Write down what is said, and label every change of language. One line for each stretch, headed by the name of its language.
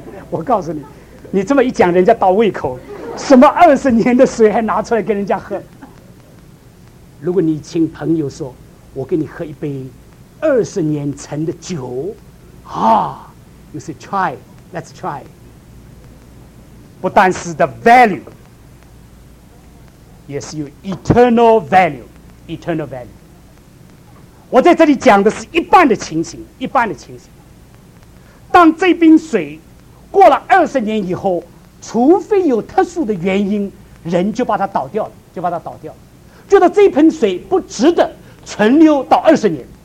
Chinese: 我告诉你，你这么一讲人家倒胃口，什么20年的水还拿出来给人家喝。如果你请朋友说我给你喝一杯20年陈的酒，啊，
English: you say try， let's try。
Chinese: 不但是
English: the value，
Chinese: 也是有
English: eternal value， eternal value。
Chinese: 我在这里讲的是一半的情形，一半的情形。当这瓶水过了20年以后，除非有特殊的原因，人就把它倒掉了，就把它倒掉了，觉得这盆水不值得存留到20年。